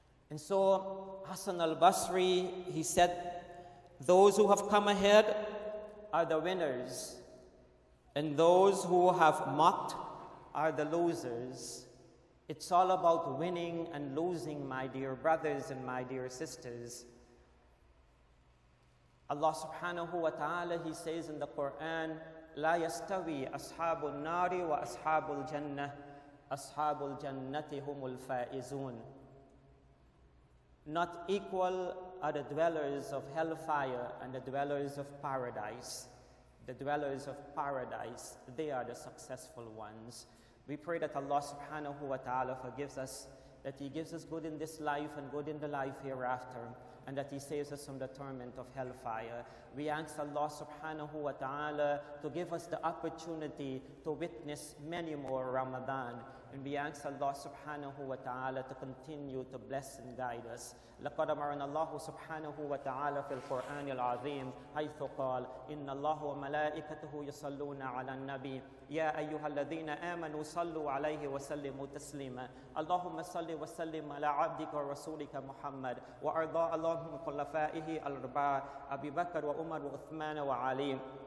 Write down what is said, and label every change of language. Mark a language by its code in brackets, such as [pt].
[en] And so Hassan al-Basri, he said, those who have come ahead are the winners, and those who have mocked are the losers. It's all about winning and losing, my dear brothers and my dear sisters. [ar] Allah subhanahu wa ta'ala, [en] He says in the Quran, [ar] لا يستوي أصحاب النار وأصحاب الجنة أصحاب الجنة هم الفائزون. [en] Not equal are the dwellers of hellfire and the dwellers of paradise. The dwellers of paradise, they are the successful ones. We pray that Allah subhanahu wa ta'ala forgives us, that He gives us good in this life and good in the life hereafter, and that He saves us from the torment of hellfire. We ask Allah subhanahu wa ta'ala to give us the opportunity to witness many more Ramadan. And we ask Allah subhanahu wa ta'ala to continue to bless and guide us. [ar] لَقَدْ أَمَرَنَا اللَّهُ سُبْحَانَهُ وَتَعَالَى فِي الْقُرْآنِ الْعَظِيمِ حَيْثُ قَالَ إِنَّ اللَّهُ وَمَلَائِكَتَهُ يُصَلُّونَ عَلَى النَّبِيِّ يَا أَيُّهَا الَّذِينَ آمَنُوا صَلُّوا عَلَيْهِ وَسَلِّمُوا تَسْلِيمًا اللهم صل وسلم على عبدك ورسولك محمد وأرضى اللهم خلفائه الأربعة أبي بكر وعمر وعثمان وعلي